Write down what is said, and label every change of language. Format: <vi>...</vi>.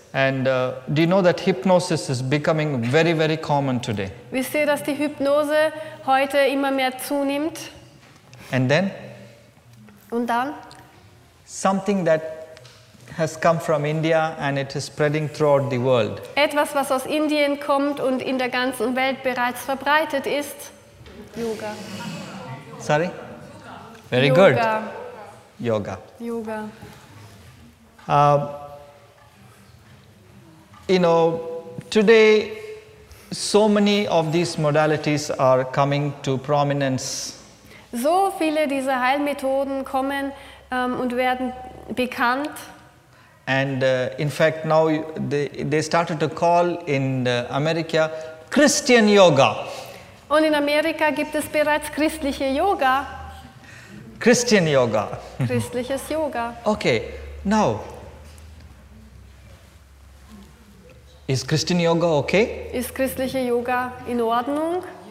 <en>And do you know that hypnosis is becoming very, very common today?</en> <de>Wisst ihr, dass die Hypnose heute immer mehr zunimmt?</de> <en>And then?</en> <de>Und dann?</de> <en>something that has come from India and it is spreading throughout the world.</en> <de>Etwas, was aus Indien kommt und in der ganzen Welt bereits verbreitet ist.</de> <en>Yoga. Sorry? Very Yoga. Good. Yoga. Yoga. You know, today so many of these modalities are coming to prominence.</en> <de>So viele dieser Heilmethoden kommen und werden bekannt.</de> <en>And in fact, now they started to call in America Christian Yoga.</en> <de>Und in Amerika gibt es bereits christliche Yoga.</de> <en>Christian Yoga.</en> <de>Christliches Yoga.</de> <en>Okay, now. Is Christian Yoga okay?</en> <de>Ist christliche Yoga in Ordnung?</de>